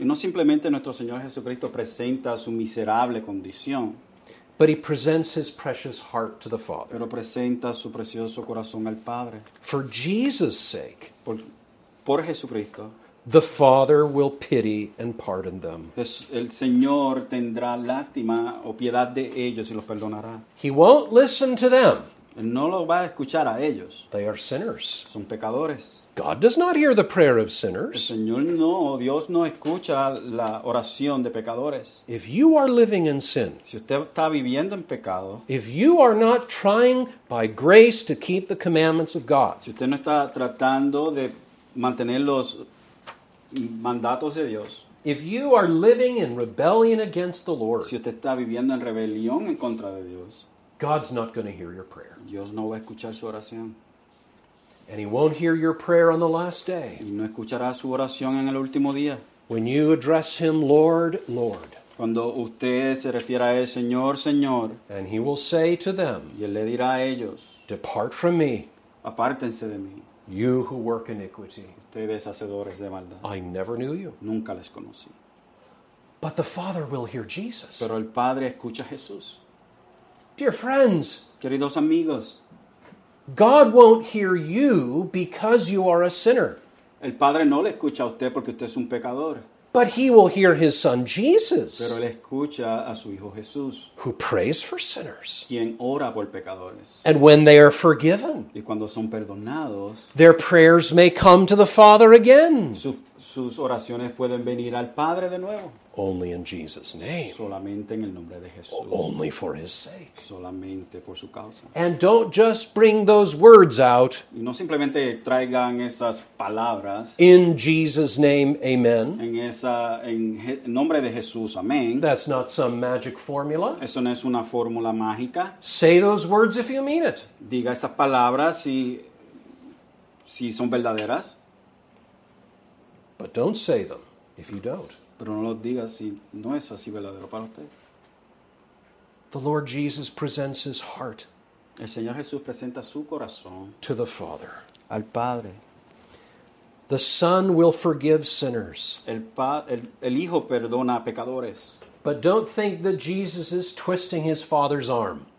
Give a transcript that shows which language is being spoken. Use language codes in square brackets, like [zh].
[es] Y no simplemente nuestro Señor Jesucristo presenta su miserable condición. [en] But he presents his precious heart to the Father. [es] Pero presenta su precioso corazón al Padre. [en] For Jesus' sake, [es] por Jesucristo, [en] the Father will pity and pardon them. [es] El Señor tendrá lástima o piedad de ellos y los perdonará. [en] He won't listen to them. [es] No lo va a escuchar a ellos. [en] They are sinners. [es] Son pecadores. [en] God does not hear the prayer of sinners. [es] El Señor no, Dios no escucha la oración de pecadores. [en] If you are living in sin, [es] si usted está viviendo en pecado, [en] if you are not trying by grace to keep the commandments of God, [es] si usted no está tratando de mantener los mandatos de Dios, [en] if you are living in rebellion against the Lord, [es] si usted está viviendo en rebelión en contra de Dios, [en] God's not going to hear your prayer. [es] Dios no va a escuchar su oración. [en] And he won't hear your prayer on the last day. [es] Y no escuchará su oración en el último día. [en] When you address him, Lord, Lord. [es] Cuando usted se refiere a él, Señor, Señor. [en] And he will say to them. [es] Y él le dirá a ellos. [en] Depart from me. [es] Apártense de mí. [en] You who work iniquity. [es] Ustedes hacedores de maldad. [en] I never knew you. [es] Nunca les conocí. [en] But the Father will hear Jesus. [es] Pero el Padre escucha a Jesús. [en] Dear friends. [es] Queridos amigos. [en] God won't hear you because you are a sinner. [es] El Padre no le escucha a usted porque usted es un pecador. [en] But he will hear his son Jesus. [es] Pero él escucha a su hijo Jesús. [en] Who prays for sinners. [es] Quien ora por pecadores. [en] And when they are forgiven. [es] Y cuando son perdonados. [en] Their prayers may come to the Father again. [es] Sus oraciones pueden venir al Padre de nuevo. [en] Only in Jesus' name. [es] Solamente en el nombre de Jesús. [en] Only for his sake. [es] Solamente por su causa. [en] And don't just bring those words out. [es] Y no simplemente traigan esas palabras. [en] In Jesus' name, amen. [es] En nombre de Jesús, amén. [en] That's not some magic formula. [es] Eso no es una fórmula mágica. [en] Say those words if you mean it. [es] Diga esas palabras si son verdaderas. [en] But don't say them if you don't. [es] Pero no lo diga si no es así verdadero para usted. [en] The Lord Jesus presents his heart. [es] El Señor Jesús presenta su corazón. [en] To the Father. [es] Al Padre. [en] The Son will forgive sinners. [es] El Hijo perdona a pecadores. [en] But don't think that Jesus is twisting his Father's arm.